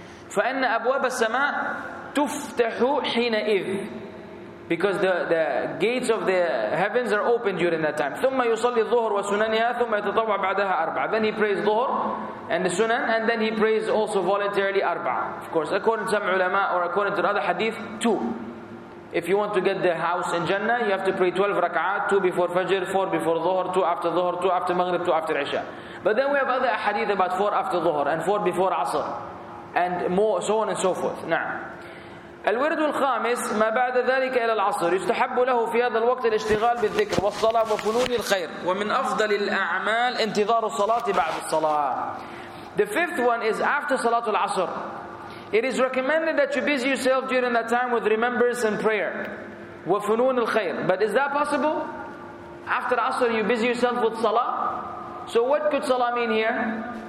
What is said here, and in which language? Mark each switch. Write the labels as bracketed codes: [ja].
[ar] فإن أبواب السماء تفتح حينئذ, [en] because the gates of the heavens are open during that time. [ar] ثم يصلي الظهر وسننها ثم يتطوع بعدها أربعة. [en] Then he prays ظهر and the sunan, and then he prays also voluntarily أربعة. Of course, according to some ulama or according to another hadith, 2. If you want to get the house in Jannah, you have to pray 12 rak'ah, 2 before Fajr, 4 before Dhuhr, 2 after Dhuhr, 2 after Maghrib, 2 after Isha. But then we have other hadith about 4 after Dhuhr and 4 before Asr and more, so on and so forth. [ar] Now, الورد الخامس ما بعد ذلك إلى العصر يستحب له في هذا الوقت الاشتغال بالذكر والصلاة وفنون الخير ومن أفضل الأعمال انتظار الصلاة بعد الصلاة. [en] The fifth one is after Salatul Asr. It is recommended that you busy yourself during that time with remembrance and prayer. [ar] وَفُنُونِ الْخَيْرِ. [en] But is that possible? After Asr, you busy yourself with Salah? So what could Salah mean here?